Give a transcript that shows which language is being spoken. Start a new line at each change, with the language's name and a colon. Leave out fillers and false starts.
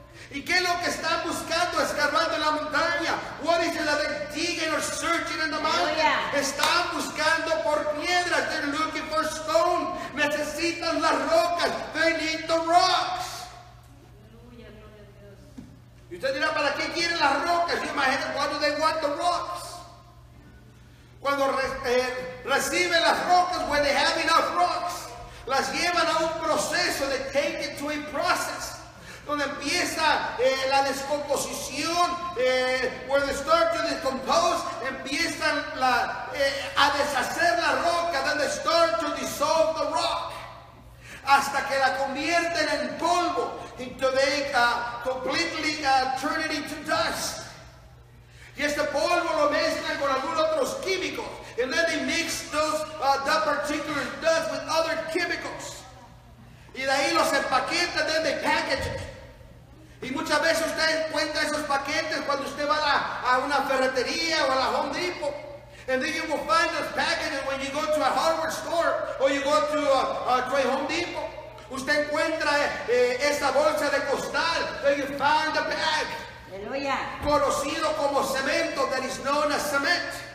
Spanish: ¿Y qué es lo que están buscando excavando en la montaña?
English: What is it that they're digging or searching in the mountain?
Spanish: Están buscando por piedras,
English: they're looking for stone,
Spanish: necesitan las rocas,
English: they need the rocks.
Spanish: Y usted dirá, ¿para qué quieren las rocas?
English: You imagine, why do they want the rocks?
Spanish: Cuando reciben las rocas,
English: when they have enough rocks,
Spanish: las llevan a un proceso,
English: they take it to a process,
Spanish: donde empieza la descomposición,
English: where they start to decompose,
Spanish: empiezan a deshacer la roca,
English: then they start to dissolve the rock,
Spanish: hasta que la convierten en polvo,
English: until they completely turn it into dust.
Spanish: Y este polvo lo mezclan con algunos otros químicos,
English: and then they mix that particular dust with other chemicals.
Spanish: Y de ahí los empaquetan,
English: then they package it.
Spanish: Y muchas veces usted encuentra esos paquetes cuando usted va a una ferretería o a la Home Depot.
English: And then you will find those packages when you go to a hardware store or you go to a Home Depot.
Spanish: Usted encuentra esa bolsa de costal.
English: Then you find the bag.
Spanish: Aleluya. Conocido como cemento,
English: that is known as cement.